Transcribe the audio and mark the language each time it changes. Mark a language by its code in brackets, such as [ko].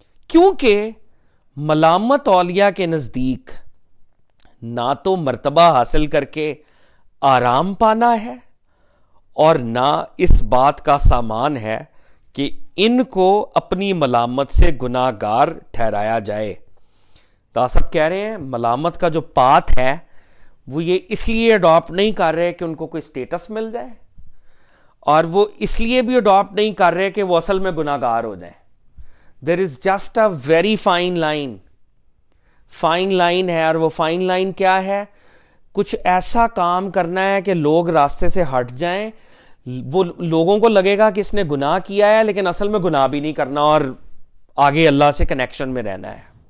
[ur] کیونکہ ملامت اولیاء کے نزدیک نہ تو مرتبہ حاصل کر کے آرام پانا ہے اور نہ اس بات کا سامان ہے کہ ان کو اپنی ملامت سے گناہگار ٹھہرایا جائے. تو سب کہہ رہے ہیں ملامت کا جو پات ہے وہ یہ اس لیے اڈاپٹ نہیں کر رہے کہ ان کو کوئی سٹیٹس مل جائے, اور وہ اس لیے بھی اڈاپٹ نہیں کر رہے کہ وہ اصل میں گناہگار ہو جائیں. [en] There is just a very fine line. [ur] Fine line ہے, اور وہ fine line کیا ہے, کچھ ایسا کام کرنا ہے کہ لوگ راستے سے ہٹ جائیں, وہ لوگوں کو لگے گا کہ اس نے گناہ کیا ہے لیکن اصل میں گناہ بھی نہیں کرنا اور آگے اللہ سے کنیکشن میں رہنا ہے.